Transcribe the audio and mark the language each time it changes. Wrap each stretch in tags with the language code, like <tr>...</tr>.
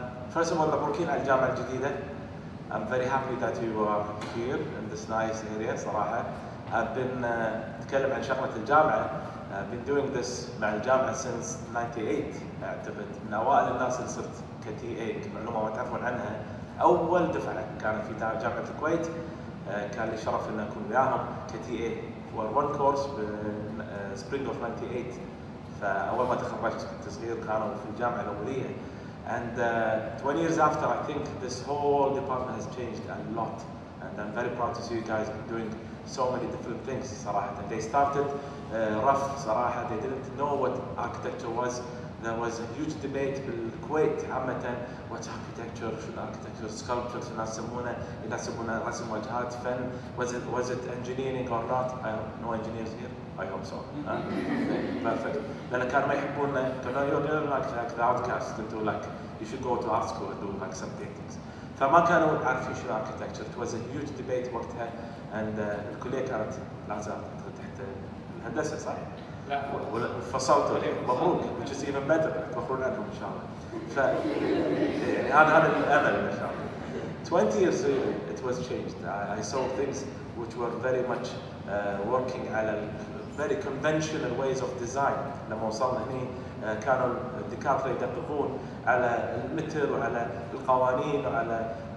<en>First of all,</en> <ar>مبروكين على الجامعة الجديدة.</ar> <en>I'm very happy that you are here in this nice area.</en> <ar>صراحة.</ar> <en>I've been</en> <ar>تكلم عن شغلة الجامعة.</ar> <en>I've been doing this</en> <ar>مع الجامعة</ar> <en>since 98.</en> <ar>اعتقد من اوائل الناس اللي صرت كTA معلومة ما تعرفون عنها. اول دفعة كانت في جامعة الكويت. كان لي شرف ان اكون وياهم كTA.</ar> <en>For one course spring of 98.</en> <ar>فاول ما تخرجت كنت صغير كانوا في الجامعة الاولية.</ar> <en>And 20 years after, I think this whole department has changed a lot. And I'm very proud to see you guys doing so many different things,</en> <ar>صراحة.</ar> <en>They started rough,</en> <ar>صراحة.</ar> <en>They didn't know what architecture was. There was a huge debate in Kuwait,</en> <ar>عامة.</ar> <en>What's architecture?</en> <ar>شنو architecture? Sculpture, شنو يسمونه؟ يسمونه رسم وجهات فن.</ar> <en>Was it engineering or not? No engineers here. I hope so. Perfect.</en> <ar>لأن كانوا ما يحبون كانوا يقولون</ar> <en>like the outcast.</en> <ar>كنتوا</ar> <en>like you should go to art school and do like some paintings.</en> <ar>فما كانوا عارفين شنو</ar> <en>architecture. It was a huge debate</en> <ar>وقتها.</ar> <en>And</en> <ar>الكلية كانت لازم تحت الهندسة صح؟ لا فصلتوا مبروك</ar> <en>which is even better</en> <ar>تفخرون عنهم ان شاء الله ف يعني هذا الامل ان شاء الله</ar> <en>20 years ago it was changed I saw things which were very much working</en> <ar>على</ar> <en>very conventional ways of design</en> <ar>لما وصلنا هني كانوا الدكاتره يدققون على المتر وعلى القوانين وعلى</ar>